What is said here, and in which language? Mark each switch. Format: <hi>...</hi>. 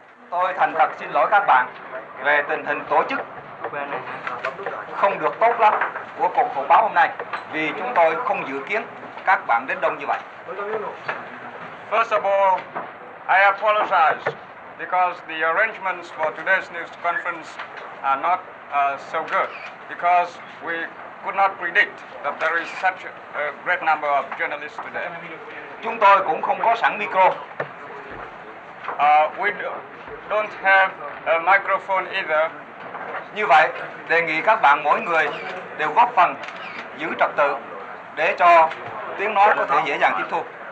<vi>Tôi thành thật xin lỗi các bạn về tình hình tổ chức không được tốt lắm của cuộc họp báo hôm nay, vì chúng tôi không dự kiến các bạn đến đông như vậy.</vi> <en>First of all, I apologize because the arrangements for today's news conference are not so good because we could not predict that there is such a great number of journalists today.</en> <vi>Chúng tôi cũng không có sẵn micro.</vi> <en>We don't have a microphone either.</en> <vi>Như vậy, đề nghị các bạn mỗi người đều góp phần giữ trật tự để cho tiếng nói có thể dễ dàng tiếp thu.</vi>